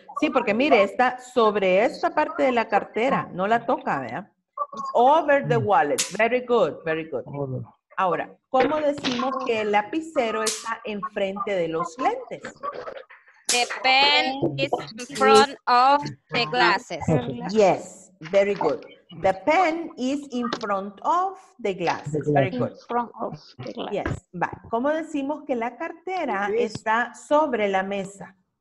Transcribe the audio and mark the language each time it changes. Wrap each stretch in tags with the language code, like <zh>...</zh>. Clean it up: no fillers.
<es>Sí, porque mire, está sobre esta parte de la cartera. No la toca, ¿verdad?</es> <en>Over the wallet. Very good, very good.</en> <es>Ahora, ¿cómo decimos que el lapicero está enfrente de los lentes?</es> <en>The pen is in front of the glasses. Yes, very good. The pen is in front of the glasses. Very good. In front of the glasses. Yes. Va.</en> <es>¿Cómo decimos que la cartera está sobre la mesa?</es>